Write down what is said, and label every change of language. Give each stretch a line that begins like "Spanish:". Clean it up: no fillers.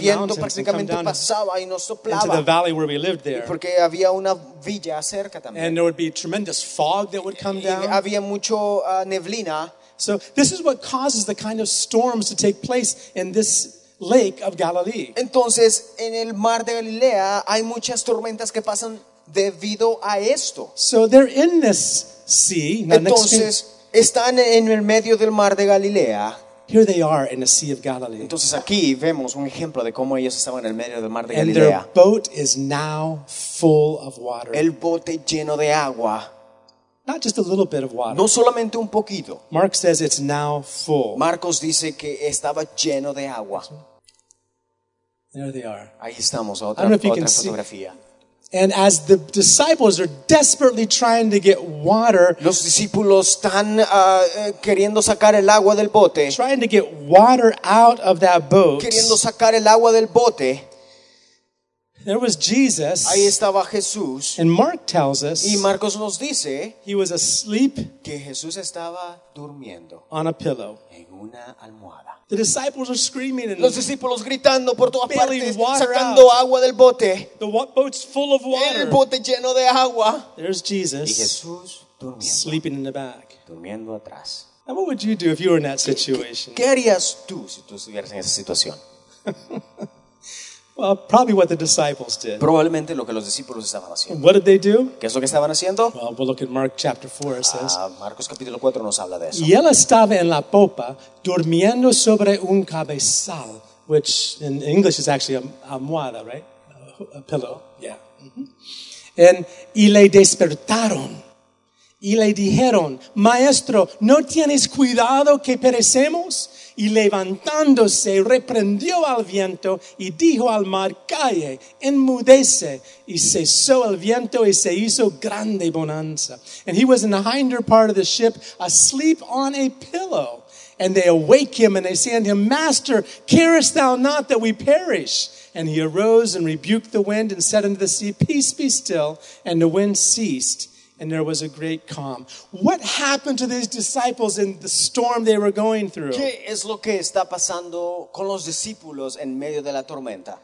Spanish: El viento prácticamente pasaba y nos soplaba.
English: Into the valley where we lived there.
Spanish: Porque había una villa cerca también.
English: And there would be tremendous fog that would come down.
Spanish: Y había mucho neblina.
English: So this is what causes the kind of storms to take place in this lake of Galilee.
Spanish: Entonces, en el mar de Galilea hay muchas tormentas que pasan debido a esto.
English: So they're in this sea.
Spanish: Entonces, están en el medio del mar de Galilea.
English: Here they are in the Sea of Galilee.
Spanish: Entonces aquí vemos un ejemplo de cómo ellos estaban en el medio del mar de Galilea.
English: And their boat is now full of water.
Spanish: El bote lleno de agua.
English: Not just a little bit of water.
Spanish: No solamente un poquito.
English: Mark says it's now full.
Spanish: Marcos dice que estaba lleno de agua.
English: There they are.
Spanish: Ahí estamos,
English: I don't know if you can
Spanish: fotografía.
English: See. And as the disciples are desperately trying to get water,
Spanish: los discípulos están queriendo sacar el agua del bote,
English: trying to get water out of that boat,
Spanish: queriendo sacar el agua del bote.
English: There was Jesus.
Spanish: Ahí estaba Jesús.
English: And Mark tells us.
Spanish: Y Marcos nos dice,
English: he was asleep.
Spanish: Que Jesús estaba durmiendo.
English: On a pillow.
Spanish: En una almohada.
English: The disciples are screaming.
Spanish: Los discípulos gritando por todas partes, sacando agua del bote.
English: The boat's full of water.
Spanish: El bote lleno de agua.
English: There's Jesus.
Spanish: Y Jesús durmiendo.
English: Sleeping in the back.
Spanish: Durmiendo atrás.
English: Now what would you do if you were in that situation?
Spanish: ¿Qué harías tú si tú estuvieras en esa situación?
English: Well, probably what the disciples did.
Spanish: Probablemente lo que los discípulos estaban haciendo.
English: What did they do?
Spanish: ¿Qué es lo que estaban haciendo?
English: Well, we'll look at Mark chapter 4, it says.
Spanish: Marcos capítulo 4 nos habla de eso. Y él estaba en la popa, durmiendo sobre un cabezal,
English: which in English is actually almohada, right? A pillow, yeah.
Spanish: Y le despertaron. Y le dijeron, Maestro, ¿no tienes cuidado que perecemos? Y levantándose, reprendió al viento y dijo al mar, Calle, enmudece. Y cesó el viento y se hizo grande bonanza.
English: And he was in the hinder part of the ship, asleep on a pillow. And they awake him and they say unto him, Master, carest thou not that we perish? And he arose and rebuked the wind and said unto the sea, Peace be still. And the wind ceased. And there was a great calm. What happened to these disciples in the storm they were going through?
Spanish: ¿Qué es lo que está pasando con los discípulos en medio de la tormenta?